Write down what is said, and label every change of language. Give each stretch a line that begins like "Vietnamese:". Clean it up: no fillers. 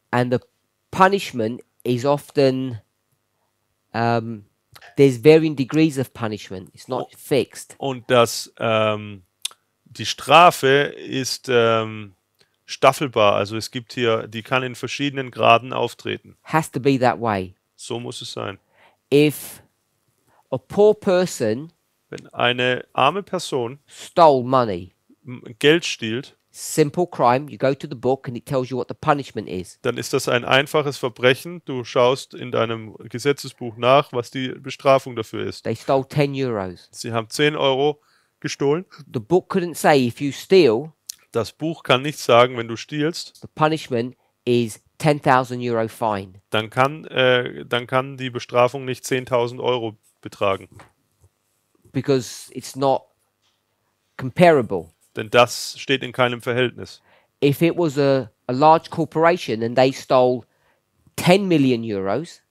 English: And the punishment is often there's varying degrees of punishment. It's not fixed.
German: Und das die Strafe ist staffelbar. Also es gibt hier, die kann in verschiedenen Graden auftreten.
English: Has to be that way.
German: So muss es sein.
English: If a poor person,
German: wenn eine arme Person
English: stole money,
German: Geld stiehlt,
English: simple crime, you go to the book and it tells you what the punishment is.
German: Dann ist das ein einfaches Verbrechen. Du schaust in deinem Gesetzesbuch nach, was die Bestrafung dafür ist.
English: They stole 10 euros.
German: Sie haben 10 Euro gestohlen.
English: The book couldn't say if you steal.
German: Das Buch kann nicht sagen, wenn du stiehlst.
English: The punishment is 10,000 euro fine.
German: Dann kann die Bestrafung nicht 10.000 Euro betragen.
English: Because it's not comparable.
German: Denn das steht in keinem Verhältnis.
English: If it was a large corporation and they stole 10 million euros.